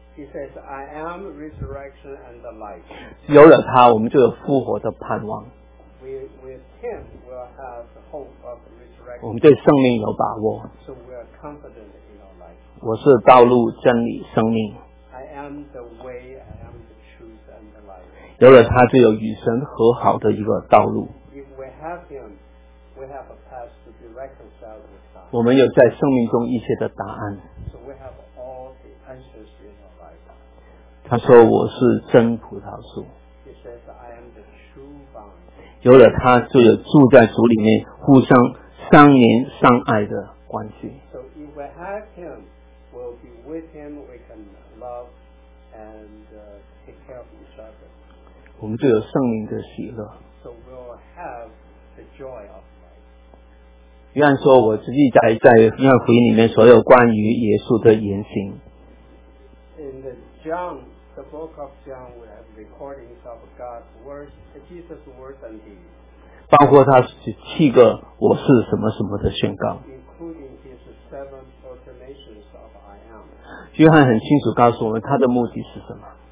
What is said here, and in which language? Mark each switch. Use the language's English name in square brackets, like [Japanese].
[English] He says, I am resurrection and the life. [Chinese] 有了他，我们就有复活的盼望。 [English] We, with him, we'll have the hope of resurrection. [Chinese] 我们对生命有把握。 [English] So we are confident. [Chinese] 我是道路、真理、生命。 [English] I am the way, I am the truth and the life. [Chinese] 有了他就有与神和好的一个道路。 [English] If we have him, we have a path to be reconciled with God. [Chinese] 我们有在生命中一些的答案。 [English] So we have all the answers in our life. [Chinese] 他说我是真葡萄树。 [English] He says, I am the true vine. [Chinese] 有了他就有住在主里面互相相连相爱的关系。 [English] So if we have him,We'll be with him, we can love and take care of each other. [Chinese] 我们就有圣灵的喜乐。 [English] So we'll have the joy of life. [Chinese] 约翰说我自己在约翰福音里面所有关于耶稣的言行。 [English] In the John, the book of John, we have recordings of God's words, Jesus' words and deeds. [Chinese] 包括他七个我是什么什么的宣告。 [English] Including his seven proclamations of I am. [Chinese] 约翰很清楚告诉我们他的目的是什么。